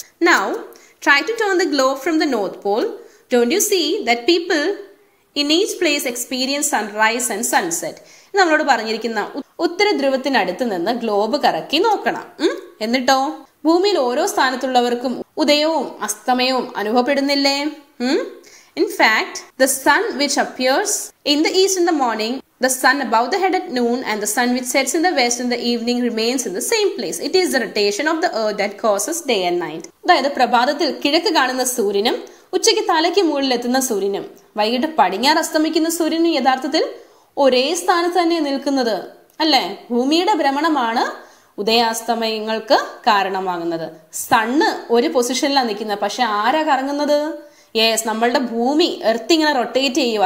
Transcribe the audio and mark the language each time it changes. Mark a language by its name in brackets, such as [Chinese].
[English] Now try to turn the globe from the north pole. Don't you see that people in each place experience sunrise and sunset? [Malayalam] നമ്മളോട് പറഞ്ഞിരിക്കുന്ന ഉത്തര ധ്രുവത്തിനടുത്ത് നിന്ന് globe കറക്കി നോക്കണം. എന്നിട്ടോ, ഭൂമിയിൽ ഓരോ സ്ഥാനത്തുള്ളവർക്കും ഉദയവും അസ്തമയവും അനുഭവപ്പെടുന്നില്ലേ? [English] In fact the sun which appears in the east in the morning The sun above the head at noon and the sun which sets in the west in the evening remains in the same place. It is the rotation of the earth that causes day and night. [Malayalam] അതായത് പ്രഭാതത്തിൽ കിഴക്ക് കാണുന്ന സൂര്യനും ഉച്ചയ്ക്ക് തലയ്ക്ക് മുകളിൽ എത്തുന്ന സൂര്യനും വൈകിട്ട് പടിഞ്ഞാറ് അസ്തമിക്കുന്ന സൂര്യനും യഥാർത്ഥത്തിൽ ഒരേ സ്ഥാനത്ത് തന്നെ നിൽക്കുന്നത് അല്ലേ. ഭൂമിയുടെ ഭ്രമണമാണ് ഉദയാസ്തമയങ്ങൾക്ക് കാരണമാകുന്നത്. സണ്ണ് ഒരു പൊസിഷനിലാണ് നിൽക്കുന്നത്, പക്ഷെ ആരാ കറങ്ങുന്നത്? യെസ്, നമ്മളുടെ ഭൂമി എർത്ത് ഇങ്ങനെ റൊട്ടേറ്റ് ചെയ്യും.